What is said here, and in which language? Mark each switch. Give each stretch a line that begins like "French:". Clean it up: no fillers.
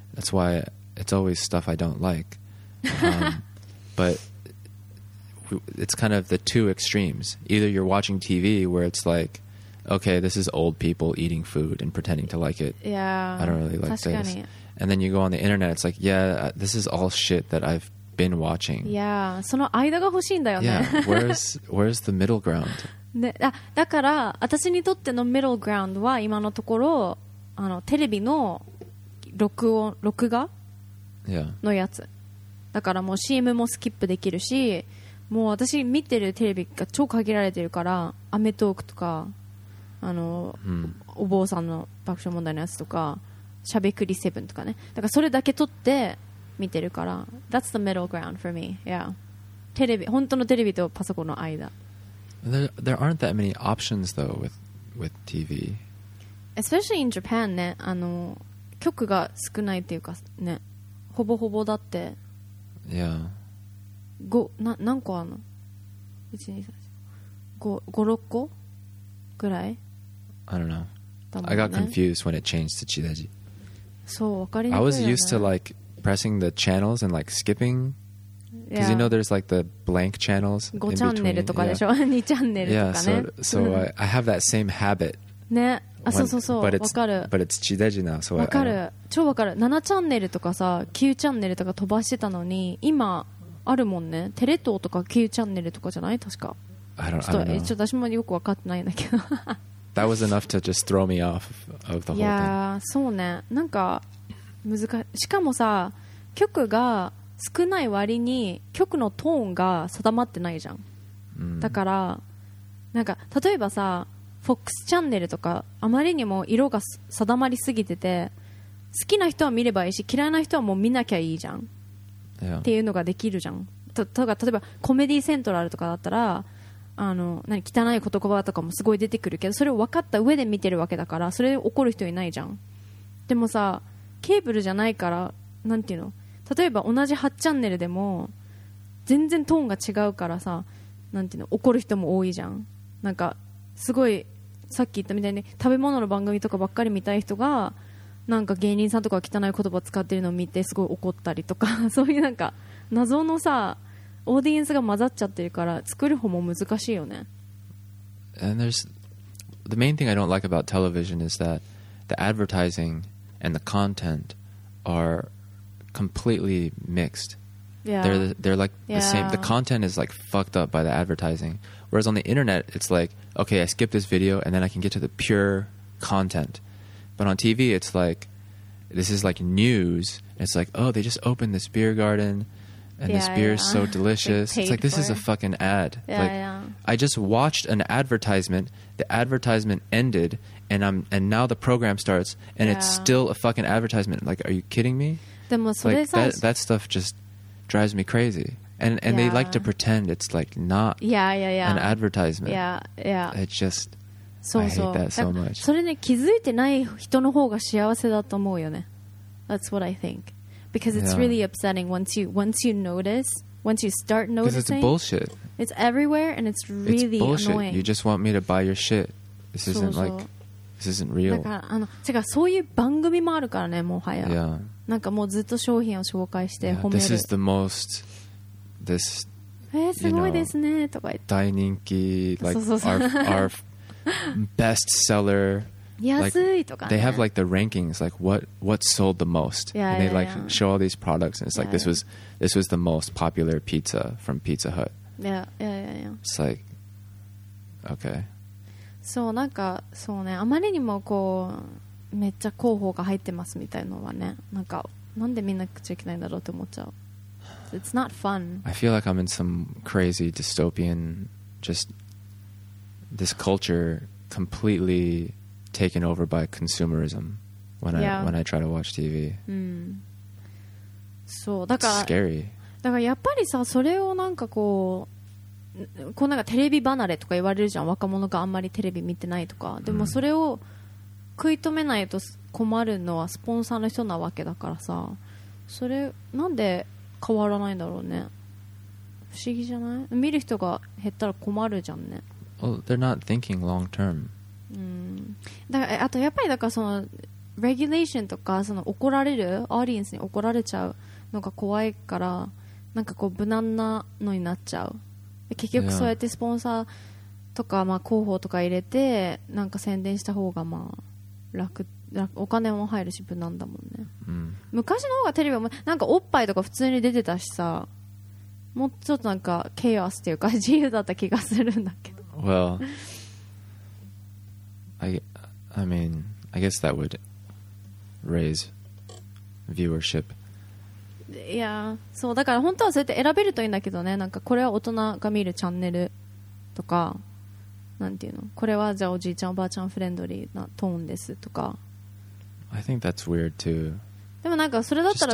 English: That's why it's always stuff I don't like. but it's kind of the two extremes. Either you're watching TV where it's like, okay, this is old people eating food and pretending to like it. Yeah. I don't really like this. And then you go on the internet, it's like, yeah, this is all shit that I've been watching. Yeah.
Japanese: その間が欲しいんだよね。
English: Yeah. Where's the middle ground?
Japanese: ね、あ、だから私にとってのミドルグラウンドは今のところあのテレビの録画、
English: yeah.
Japanese: のやつだからもう CM もスキップできるしもう私見てるテレビが超限られてるからアメトークとかあの、お坊さんの爆笑問題のやつとかしゃべくり7とかねだからそれだけ撮って見てるから
English: That's the middle ground for me、
Japanese: yeah. テレビ本当のテレビとパソコンの間
English: There aren't that many options though with TV. Especially in Japan,
Japanese: ね、あの、曲が少ないっていうかね、ほぼほぼだって。
English: Yeah.
Japanese: 何個あるの？一二三四五六個ぐらい？
English: I don't know.、ね、I got confused when it changed to Chideji.
Japanese: そう、わかりにく
English: い。I was used to like pressing the channels and like skipping. Because、yeah. you know there's like the blank channels in between.
Japanese: 5チャンネルとかでしょ、 yeah. 2チャンネルとかね。
English: Yeah, so I have that same habit.
Japanese: ね。あ、そうそうそう。わかる。
English: But it's Chideji now, so
Japanese: わかる。超わかる。 7チャンネルとかさ、9チャンネルとか飛ばしてたのに、今あるもんね。テレ東とか9チャンネルとかじゃない確か。
English: I don't know.
Japanese: ちょっと私もよくわかってないんだけど。
English: That was enough to just throw me off of the whole thing.
Japanese: Yeah, そうね。なんか、難しい。しかもさ、曲が、少ない割に曲のトーンが定まってないじゃん、だからなんか例えばさ FOX チャンネルとかあまりにも色が定まりすぎてて好きな人は見ればいいし嫌いな人はもう見なきゃいいじゃん、
English: yeah.
Japanese: っていうのができるじゃん例えばコメディセントラルとかだったらあの何汚い言葉とかもすごい出てくるけどそれを分かった上で見てるわけだからそれ怒る人いないじゃんでもさケーブルじゃないからなんていうの例えば同じ8チャンネルでも全然トーンが違うからさなんていうの怒る人も多いじゃんなんかすごいさっき言ったみたいに食べ物の番組とかばっかり見たい人がなんか芸人さんとか汚い言葉を使ってるのを見てすごい怒ったりとかそういうなんか謎のさオーディエンスが混ざっちゃってるから作る方も難しいよね
English: And there's the main thing I don't like about television is that the advertising and the content areCompletely mixed. Yeah. They're like the yeah. same. The content is like fucked up by the advertising. Whereas on the internet, it's like, okay, I skip this video and then I can get to the pure content. But on TV, it's like, this is like news. It's like, oh, they just opened this beer garden and yeah, this beer yeah. is so delicious. It's like, this is a fucking ad. Yeah, like, yeah. I just watched an advertisement. The advertisement ended and now the program starts and yeah. it's still a fucking advertisement. Like, are you kidding me?
Japanese: でもそれさ、
English: like that stuff just drives me crazy. And yeah. they like to pretend it's like not yeah, yeah, yeah. an advertisement. Yeah, yeah. It's just,
Japanese: そうそう
English: I hate that so much.
Japanese: それね、気づいてない人の方が幸せだと思うよね。
English: That's what I think. Because it's、yeah. really upsetting once you notice, once you start noticing. Because it's bullshit. It's everywhere and it's really it's bullshit. annoying. You just want me to buy your shit. This isn't
Japanese: そうそう
English: like, this isn't real.
Japanese: だからあの、てかそういう番組もあるからね、もはや。
English: Yeah.
Japanese: なんかもうずっと商品を紹介して褒める。
English: Yeah, this is the most this
Japanese: すごいですねとか言って。大人気
English: like
Japanese: そうそうそう
English: our best seller
Japanese: 安いとかね。Like,
English: they have like the rankings like what sold the most yeah, and they yeah, like yeah. show all these products and it's like yeah, this was the most popular pizza from Pizza Hut. Yeah. It's like okay.
Japanese: そうなんかそうねあまりにもこう。めっちゃ広報が入ってますみたいのはね、なんかなんで見なくちゃいけないんだろうって思っちゃう。
English: It's not fun. I feel like I'm in some crazy dystopian, just this culture completely taken over by consumerism when I、 yeah. when I try to watch TV.
Japanese: そうだから。
English: It's scary.
Japanese: だからやっぱりさ、それをなんかこう。こうなんかテレビ離れとか言われるじゃん。若者があんまりテレビ見てないとか。でもそれを、食い止めないと困るのはスポンサーの人なわけだからさそれなんで変わらないんだろうね不思議じゃない見る人が減ったら困るじゃんね
English: well, they're not thinking long term
Japanese: だからあとやっぱりだからそのレギュレーションとかその怒られるアーディエンスに怒られちゃうのが怖いから、なんかこう無難なのになっちゃう。結局そうやってスポンサーとか、まあ広報とか入れてなんか宣伝した方がまあ 楽お金も入るし無難だもんね、うん、昔の方がテレビもなんかおっぱいとか普通に出てたしさ、もうちょっとなんかケアスっていうか自由だった気がするんだけど。
English: Well, I mean, I guess that would raise viewership.
Japanese: Yeah, そうだから本当はそうやって選べるといいんだけどね。なんかこれは大人が見るチャンネルとか、なんていうの、これはじゃあおじいちゃんおばあちゃんフレンドリーなトーンですとか。
English: I think that's weird too.
Japanese: でもなんかそれだったら